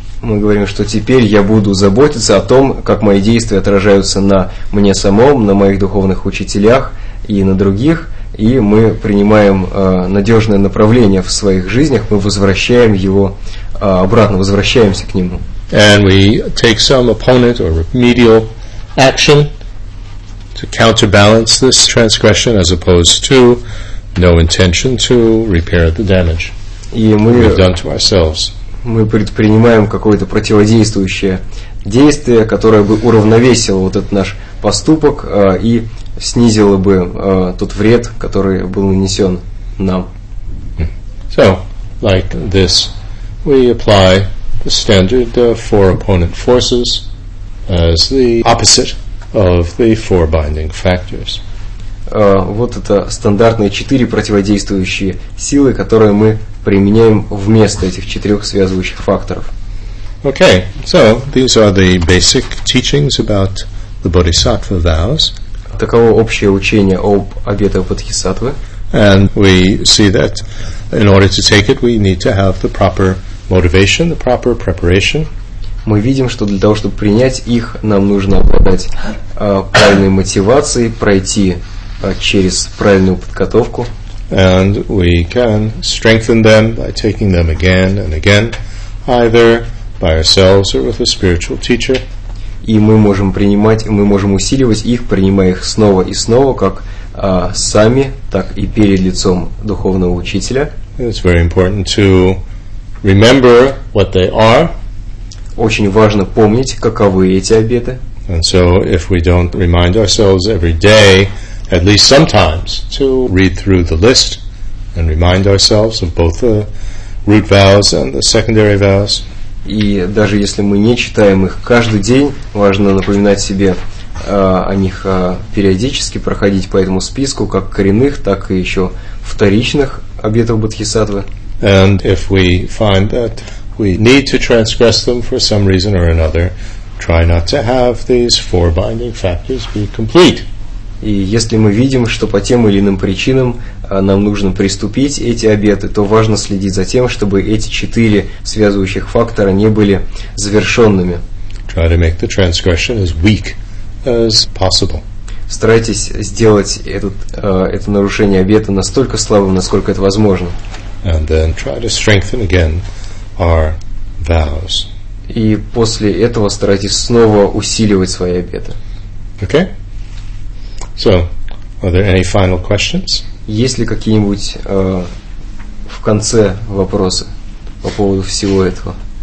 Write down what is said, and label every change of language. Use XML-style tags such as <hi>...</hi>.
<ru>Мы говорим, что теперь я буду заботиться о том, как мои действия отражаются на мне самом, на моих духовных учителях и на других. И мы принимаем надежное направление в своих жизнях, мы возвращаем его обратно, возвращаемся к нему.</ru> <en>And we take some opponent or remedial action to counterbalance this transgression as opposed to no intention to repair the damage we've done to ourselves.</en> <ru>Мы предпринимаем какое-то противодействующее действие, которое бы уравновесило вот этот наш поступок и снизило бы тот вред, который был нанесен нам.</ru> <en>So, like this, we apply the standard four opponent forces as the opposite of the four binding factors.</en> <ru>Вот это стандартные четыре противодействующие силы, которые мы применяем вместо этих четырех связывающих факторов.</ru> <en>Okay, so these are the basic teachings about the bodhisattva vows.</en> <ru>Таково общее учение об обетах бодхисаттвы.</ru> <en>And we see that in order to take it, we need to have the proper motivation, the proper preparation.</en> <ru>Мы видим, что для того, чтобы принять их, нам нужно обладать правильной мотивацией, пройти через правильную подготовку.</ru> <en>And we can strengthen them by taking them again and again, either by ourselves or with a spiritual teacher.</en> <ru>И мы можем принимать, мы можем усиливать их, принимая их снова и снова, как сами, так и перед лицом духовного учителя.</ru> <en>It's very important to remember what they are.</en> <ru>Очень важно помнить, каковы эти обеты.</ru> <en>And so, if we don't remind ourselves every day, at least sometimes, to read through the list and remind ourselves of both the root vows and the secondary vows.</en> <ru>И даже если мы не читаем их каждый день, важно напоминать себе о них периодически, проходить по этому списку, как коренных, так и еще вторичных обетов бодхисаттвы.</ru> <en>And if we find that we need to transgress them for some reason or another, try not to have these four binding factors be complete.</en> <ru>И если мы видим, что по тем или иным причинам нам нужно приступить эти обеты, то важно следить за тем, чтобы эти четыре связывающих фактора не были завершенными.</ru> <en>Try to make the transgression as weak as possible.</en> <ru>Старайтесь сделать это нарушение обета настолько слабым, насколько это возможно.</ru> <en>And then try to strengthen again our vows.</en> <ru>И после этого старайтесь снова усиливать свои обеты.</ru> <en>Okay. So, are there any final questions?</en> <ru>Есть ли какие-нибудь в конце вопросы по поводу всего этого?</ru>